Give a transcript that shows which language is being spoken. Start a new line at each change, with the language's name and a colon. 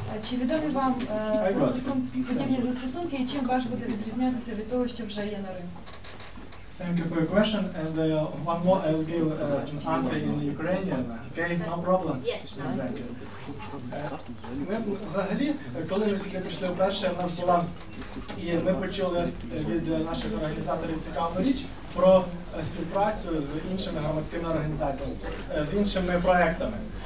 Ukrainian: Чи відомі вам подібні застосунки і чим ваш буде відрізнятися від того, що вже є на ринку?
English: Thank you for your question, and one more I'll give an answer in Ukrainian, okay? No problem. Yes. Exactly.
Ukrainian: Ми взагалі, коли ми сюди прийшли вперше, у нас була, і ми почули від наших організаторів цікаву річ про співпрацю з іншими громадськими організаціями, з іншими проектами.